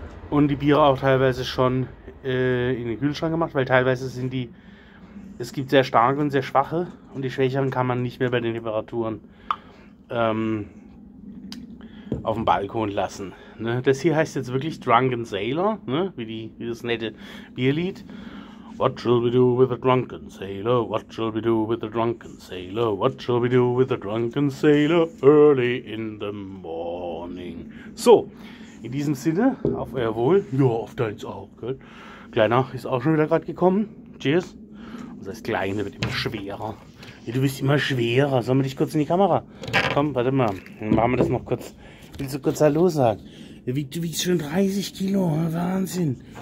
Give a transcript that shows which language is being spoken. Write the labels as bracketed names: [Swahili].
[German] Und die Biere auch teilweise schon in den Kühlschrank gemacht, weil teilweise sind die, es gibt sehr starke und sehr schwache. Und die schwächeren kann man nicht mehr bei den Temperaturen auf dem Balkon lassen. Ne? Das hier heißt jetzt wirklich Drunken Sailor, ne? Wie das nette Bierlied. [English] What shall we do with a drunken sailor? What shall we do with a drunken sailor? What shall we do with a drunken sailor early in the morning? [German] So, in diesem Sinne, auf euer Wohl. Ja, auf deins auch, gell? Kleiner ist auch schon wieder gerade gekommen. Cheers. Das heißt, Kleine wird immer schwerer. Ja, du bist immer schwerer. Sollen wir dich kurz in die Kamera? Komm, warte mal. Dann machen wir das noch kurz. Willst du kurz Hallo sagen? Du wiegst schon 30 Kilo. Wahnsinn.